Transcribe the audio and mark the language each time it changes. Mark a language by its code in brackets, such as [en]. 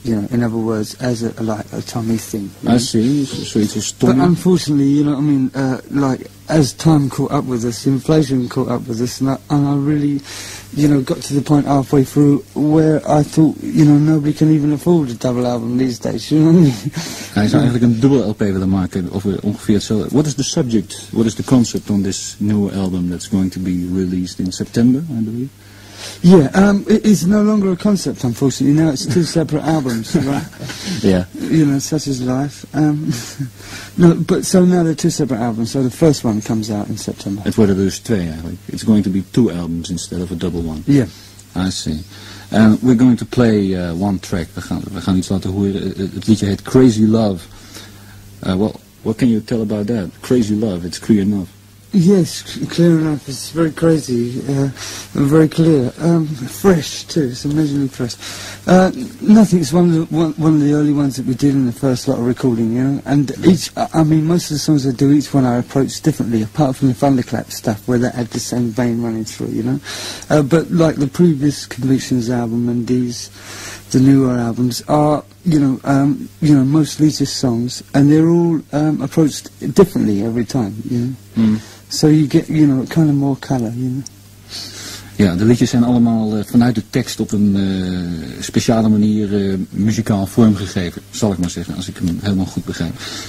[en] You know, in other words, as a Tommy thing. I see. So it's a story. But unfortunately, you know what I mean? Like, as time caught up with us, inflation caught up with us, and I really, you know, got to the point halfway through where I thought, you know, nobody can even afford a double album these days, you know. [nl] Hij zou eigenlijk een dubbele LP willen maken, of ongeveer hetzelfde. [en] What is the subject, what is the concept on this new album that's going to be released in September, I believe? Yeah, it's no longer a concept, unfortunately. Now it's two separate albums, right? Yeah. You know, such is life. Now they're two separate albums. So the first one comes out in September. [nl] Het worden dus twee eigenlijk. [en] It's going to be two albums instead of a double one. Yeah. I see. We're going to play one track. [nl] We gaan iets laten horen. Het liedje heet Crazy Love. [en] Well, what can you tell about that? Crazy Love, it's clear enough. Yes, clear enough. It's very crazy and very clear. Fresh too. It's amazingly fresh. Nothing. It's one of the early ones that we did in the first lot of recording. You know, and most of the songs I do, each one I approach differently. Apart from the Thunderclap stuff, where that had the same vein running through. You know, but like the previous Convictions album and these, the newer albums are, you know, mostly just songs, and they're all approached differently every time. You know. Mm. So you get, you know, kind of more color, you know. [nl] Ja, de liedjes zijn allemaal vanuit de tekst op een speciale manier muzikaal vormgegeven, zal ik maar zeggen, als ik hem helemaal goed begrijp.